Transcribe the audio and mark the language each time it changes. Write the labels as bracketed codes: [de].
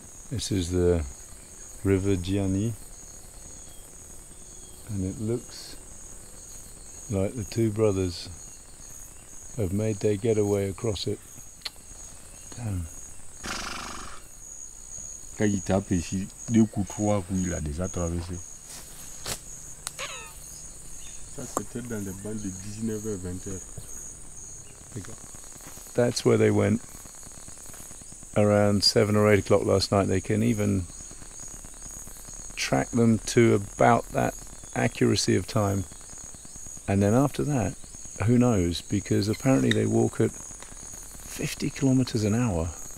[en] This is the River Guinea, and it looks like the two brothers have made their getaway across it. Damn. [fr] Quand il tape ici, deux coups trois coups, il a déjà traversé. Ça c'était dans les bandes de 19h-20h. [en] That's where they went around 7 or 8 o'clock last night. They can even track them to about that accuracy of time. And then after that, who knows? Because apparently they walk at 50 kilometers an hour.